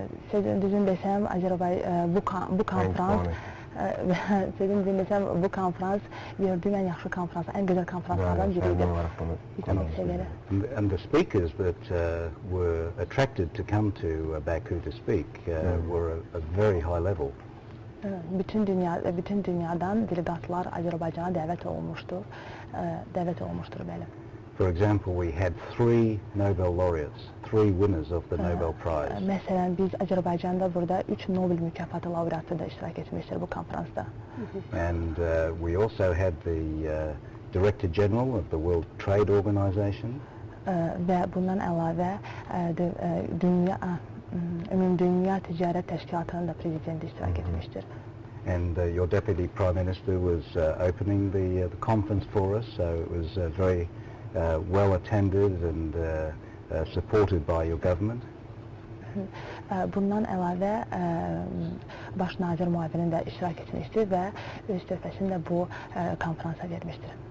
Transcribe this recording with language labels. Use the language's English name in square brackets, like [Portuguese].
[Azerbaijani] Sizin desem Azerbaycan bu konferans sizin desem bu konferans gördüyüm ən yaxşı konferans, ən gözəl konferanslardan biridir. [English] And the speakers that were attracted to come to Baku to speak were a very high level. [Azerbaijani] Bütün dünyadan delegatlar Azərbaycana dəvət olunmuşdur bəli. [English] For example, we had three Nobel laureates, three winners of the Nobel Prize. [Azerbaijani] Məsələn, biz Azərbaycanda burada 3 Nobel mükafatı laureatı da iştirak etmişdir bu konferansda. [English] And we also had the Director General of the World Trade Organization. [Azerbaijani] Və bundan əlavə Dünya Ticaret Təşkilatının da prezidenti iştirak etmişdir. [English] And your deputy prime minister was opening the conference for us, so it was very well attended and supported by your government. [Azerbaijani] Bundan əlavə baş nazir müavinin də iştirak etmişdir və öz töhfəsini də bu konferansa vermişdir.